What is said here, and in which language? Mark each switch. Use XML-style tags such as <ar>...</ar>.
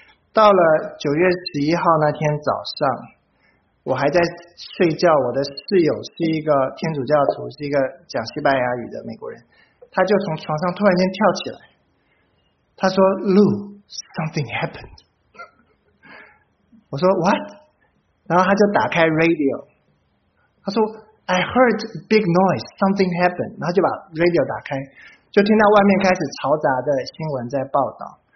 <zh>到了9月11号那天早上，我还在睡觉，我的室友是一个天主教徒，是一个讲西班牙语的美国人，他就从床上突然间跳起来。他说</zh> <en>：“Lou, something happened。”</en> <zh>我说 ：</zh> <en>“What？”</en> <zh>然后他就打开</zh> <en>radio，</en> <zh>他说</zh> <en>：“I heard big noise, something happened。”</en> <zh>然后就把 radio 打开，就听到外面开始嘈杂的新闻在报道。</zh>